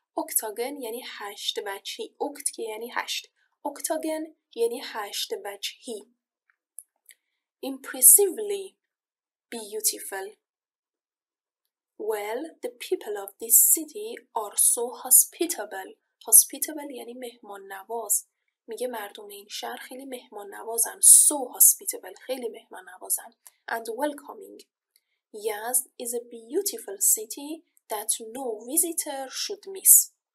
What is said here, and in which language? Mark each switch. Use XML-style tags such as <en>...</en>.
<fa>Octagon یعنی هشت وجهی. Oct یعنی هشت. Octagon یعنی هشت وجهی.</fa> <en>Impressively beautiful. Well, the people of this city are so hospitable.</en> <fa>Hospitable یعنی مهمان نواز. میگه مردم این شهر خیلی مهمان نوازن.</fa> <en>So hospitable.</en> <fa>خیلی مهمان نوازن.</fa> <en>And welcoming. Yazd is a beautiful city that no visitor should miss.</en>